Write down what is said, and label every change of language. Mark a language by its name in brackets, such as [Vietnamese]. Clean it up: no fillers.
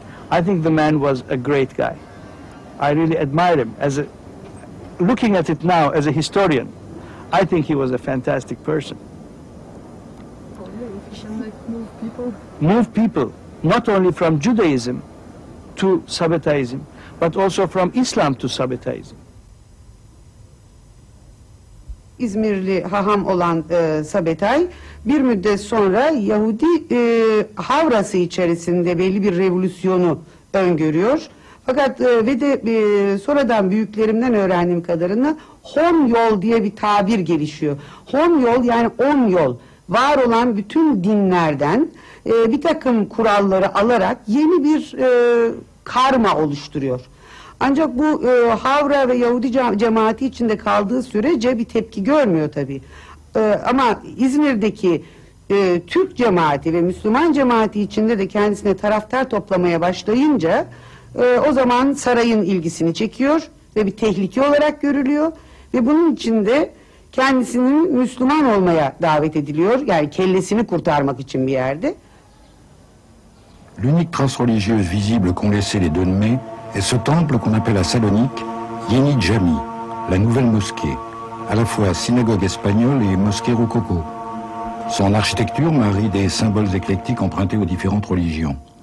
[English] I think the man was a great guy. I really admire him as a looking at it now as a historian, I think he was a fantastic person. Move people, not only from Judaism to Sabbataism, but also from Islam to Sabbataism. [Turkish] İzmirli haham olan Sabbatai, bir müddet sonra Yahudi havrası içerisinde belli bir revolüsyonu öngörüyor. Fakat ve de sonradan büyüklerimden öğrendiğim kadarıyla hom yol diye bir tabir gelişiyor. Hom yol, yani on yol, var olan bütün dinlerden bir takım kuralları alarak yeni bir karma oluşturuyor. Ancak bu Havra ve Yahudi cemaati içinde kaldığı sürece bir tepki görmüyor tabii. Ama İzmir'deki Türk cemaati ve Müslüman cemaati içinde de kendisine taraftar toplamaya başlayınca o zaman sarayın ilgisini çekiyor ve bir tehlike olarak görülüyor ve bunun için de kendisinin Müslüman olmaya davet ediliyor, yani kellesini kurtarmak için bir yerde. [French] L'unique trace religieuse visible qu'ont laissé les Denmet est ce temple qu'on appelle à Salonique Yeni Cami, la nouvelle mosquée, à la fois synagogue espagnole et mosquée rococo. Son architecture marie des symboles éclectiques empruntés aux différentes religions.